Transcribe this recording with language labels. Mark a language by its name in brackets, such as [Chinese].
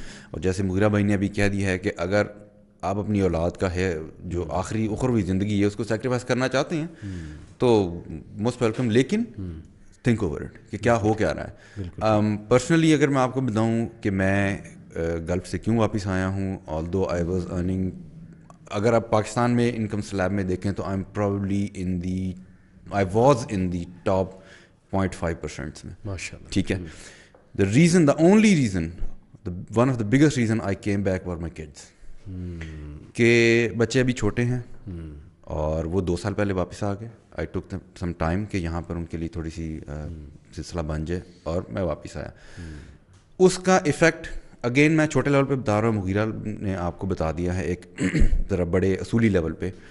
[Urdu] اور جیسے مغیرہ بھائی نے ابھی کہہ دی ہے کہ اگر آپ اپنی اولاد کا ہے جو آخری اخروی زندگی ہے اس کو سیکریفائس کرنا چاہتے ہیں تو موسٹ ویلکم, لیکن [English] think over it [Urdu] کہ کیا ہو کیا رہا ہے. پرسنلی اگر میں آپ کو بتاؤں کہ میں گلف سے کیوں واپس آیا ہوں, [English] although I was earning, [Urdu] اگر آپ پاکستان میں انکم سلیب میں دیکھیں تو [English] I am probably in the, I was in the top 0.5% [Urdu] میں, ماشاء اللہ. ٹھیک ہے, [English] the reason, the only reason one of the biggest reason I came back for my kids [Urdu] کہ بچے ابھی چھوٹے ہیں اور وہ دو سال پہلے واپس آ گئے. [English] I took some time [Urdu] کہ یہاں پر ان کے لیے تھوڑی سی سلسلہ بن جائے اور میں واپس آیا. اس کا افیکٹ اگین میں چھوٹے لیول پہ بتا رہا ہوں, مغیرہ نے آپ کو بتا دیا ہے ایک ذرا بڑے اصولی لیول پہ.